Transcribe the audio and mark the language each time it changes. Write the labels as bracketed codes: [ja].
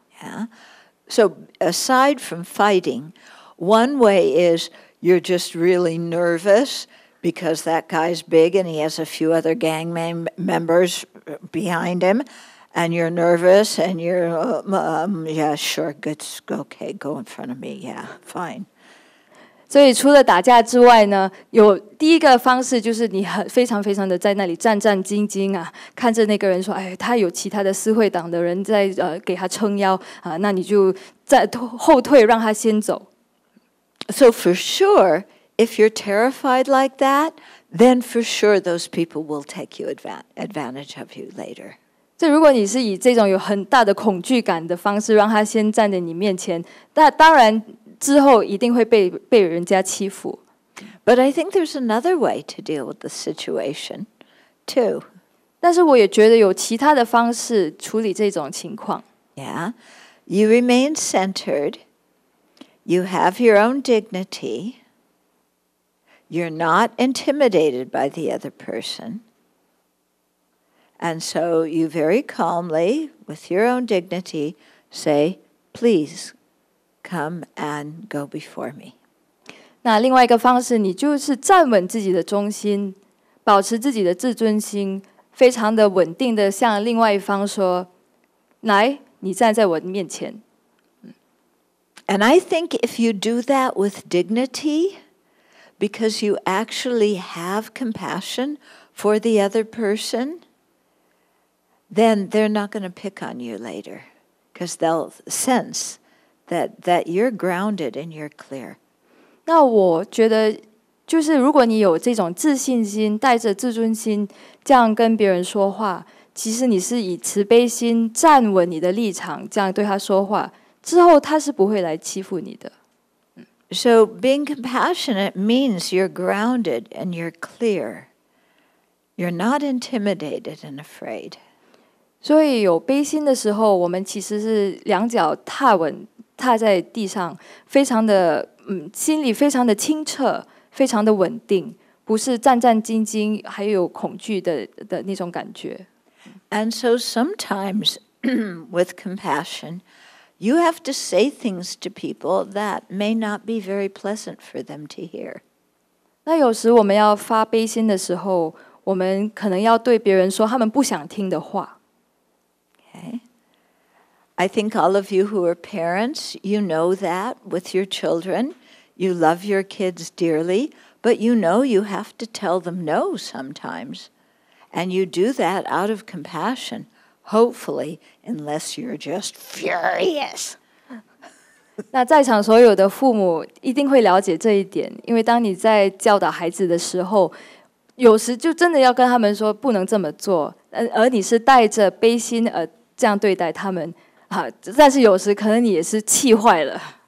[en] Yeah. So aside from fighting, one way is you're just really nervous because that guy's big and he has a few other gang members behind him, and you're nervous and you're, yeah, sure, good, okay, go in front of me, yeah, fine. [zh] 所以除了打架之外呢，有第一个方式就是你很非常非常的在那里战战兢兢啊，看着那个人说，哎，他有其他的私会党的人在给他撑腰啊，那你就再后退，让他先走。 [en] So for sure, if you're terrified like that, then for sure those people will take you advantage of you later. [zh] 这如果你是以这种有很大的恐惧感的方式让他先站在你面前，那当然。之后一定会被人家欺负。 [en] But I think there's another way to deal with the situation, too. [zh] 但是我也觉得有其他的方式处理这种情况。 [en] Yeah. You remain centered. You have your own dignity. You're not intimidated by the other person. And so you very calmly, with your own dignity, say, please,come and go before me. [zh] 那另外一个方式，你就是站稳自己的中心，保持自己的自尊心，非常的稳定的向另外一方说，来，你站在我的面前。 [en] And I think if you do that with dignity, because you actually have compassion for the other person, then they're not going to pick on you later, because they'll sense. That you're grounded and you're clear. [zh] 那我觉得就是如果你有这种自信心，带着自尊心这样跟别人说话，其实你是以慈悲心站稳你的立场，这样对他说话，之后他是不会来欺负你的。 [en] So being compassionate means you're grounded and you're clear. You're not intimidated and afraid. [zh] 所以有悲心的时候，我们其实是两脚踏稳。踏在地上，非常的心里非常的清澈，非常的稳定，不是战战兢兢，还有恐惧的那种感觉。 [en] And so sometimes with compassion, you have to say things to people that may not be very pleasant for them to hear. [zh] 那有时我们要发悲心的时候，我们可能要对别人说他们不想听的话。 [en] Okay. I think all of you who are parents, you know that with your children. You love your kids dearly, but you know you have to tell them no sometimes. And you do that out of compassion, hopefully, unless you're just furious. [zh] 那在场所有的父母一定会了解这一点，因为当你在教导孩子的时候，有时就真的要跟他们说不能这么做，而你是带着悲心而这样对待他们，但是有时可能你也是气坏了。